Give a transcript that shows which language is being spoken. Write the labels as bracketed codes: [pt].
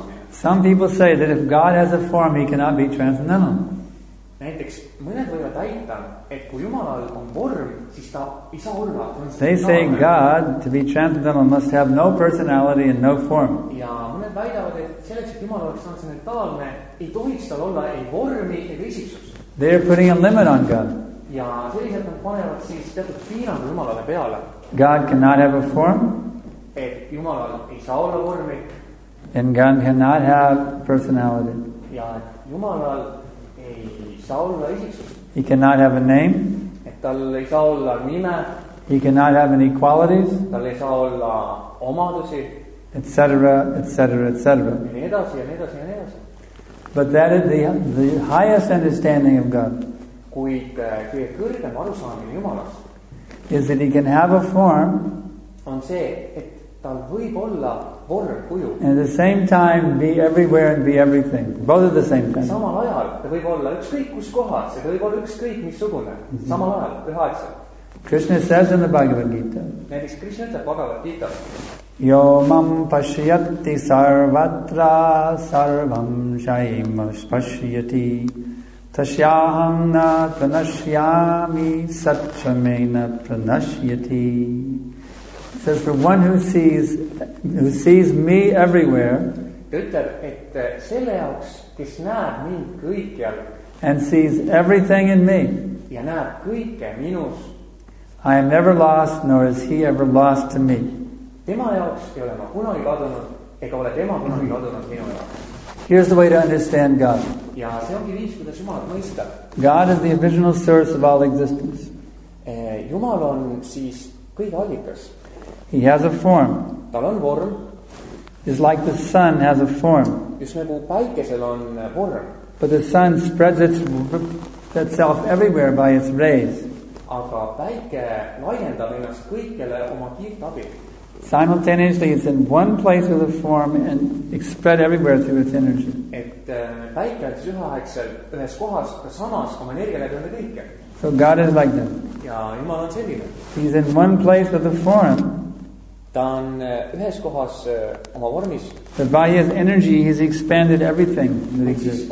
[en] Some people say that if God has a form, he cannot be transcendental. [et] Näiteks mõned võivad väita, et kui Jumalal on vorm, siis ta ei saa olla. [en] They say God, to be transcendental, must have no personality and no form. [et] Ja mõned väidavad, et selleks, et Jumal oleks transcendentaalne, ei tohiks tal olla ei vormi, ei isiksus. [en] They are putting a limit on God. [et] Ja sellised nad panevad siis teatud piirangu Jumalale peale. [en] God cannot have a form. [et] Et Jumalal ei saa olla vormi. [en] And God cannot have personality. [et] Ja Jumalal ei saa olla isiksus. [en] He cannot have a name. [et] Et tal ei saa olla nime. [en] He cannot have any qualities. [et] Tal ei saa olla omadusi. [en] Etc., etc., etc. [et] Ja nii edasi, ja nii edasi, ja nii edasi. [en] But that is the highest understanding of God. [et] Kuid kõige kõrgem arusaamine Jumalas [en] is that he can have a form, [et] on see, et tal võib olla vormkuju. [en] And at the same time be everywhere and be everything. Both at the same time. [et] Samal ajal ta võib olla ükskõik kus kohas, ta võib olla ükskõik missugune. Samal ajal, üheaegselt. [en] Krishna says in the Bhagavad Gita. [et] Näiteks Krishna ütleb Bhagavad Gita. [sa] Yo mam pashyati sarvatra sarvam shaim pashyati tashyaham na pranashyami satchamena pranashyati. [en] Says for one who sees me everywhere, [et] ütleb, et selle jaoks, kes näeb mind kõikjal, [en] and sees everything in me, [et] ja näeb kõike minus, [en] I am never lost, nor is he ever lost to me. [et] Tema jaoks ei ole ma kunagi kadunud, ega ole tema kunagi kadunud minu jaoks. [en] Here's the way to understand God. [et] Ja see ongi viis, kuidas Jumalat mõista. [en] God is the original source of all existence. [et] Jumal on siis kõige allikas. [en] He has a form. [et] Tal on vorm. [en] It's like the sun has a form. [et] Just nagu päikesel on vorm. [en] But the sun spreads itself everywhere by its rays. [et] Aga päike laiendab ennast kõikele oma kiirt abil. [en] Simultaneously, it's in one place with a form and spread everywhere through its energy. [et] Et päike on üheaegsel ühes kohas, ta samas oma energia läbi oma kõike. [en] So God is like that. [et] Ja Jumal on selline. [en] He's in one place with a form. [et] Ta on ühes kohas oma vormis. [en] But by his energy, he's expanded everything that exists.